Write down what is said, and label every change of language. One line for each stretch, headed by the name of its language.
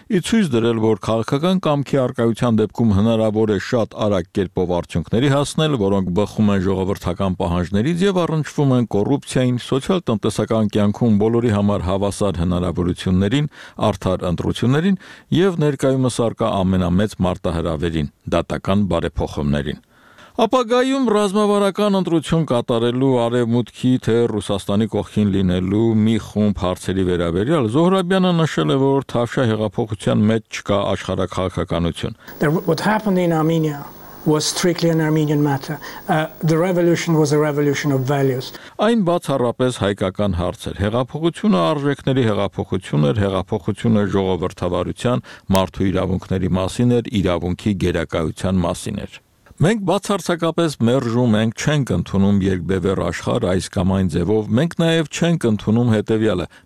Armenian: ի ցույց դրել, որ քաղաքական կամքի առկայության դեպքում հնարավոր է շատ արագ կերպով արդյունքների հասնել, որոնք բխում են ժողովրդական պահանջներից և առնչվում են կոռուպցիային, սոցիալ-տնտեսական կյանքում բոլորի համար հավասար հնարավորություններին, արդար ընտրություններին և ներկայումս առկա ամենամեծ մարտահրավերին, դատական բարեփոխումներին։ Ապագայում ռազմավարական ընտրություն կատարելու Արևմուտքի թե Ռուսաստանի կողքին լինելու մի խումբ հարցերի վերաբերյալ Զոհրաբյանը նշել է, որ Թավշյա հեղափոխության մեջ չկա աշխարհակ քաղաքականություն։
English: What happened in Armenia was strictly an Armenian matter. The revolution was a revolution of values.
Armenian: Այն բացառապես հայկական հարց էր։ Հեղափոխությունը արժեքների հեղափոխություն էր, հեղափոխությունը ժողովրդավարության, մարդու իրավունքների մասին էր, իրավունքի գերակայության մասին էր։ Մենք բացարձակապես մերժում ենք, չենք ընդունում երկբևեր աշխարհ այս կամ այն ձևով, մենք նաև չենք ընդունում հետևյալը.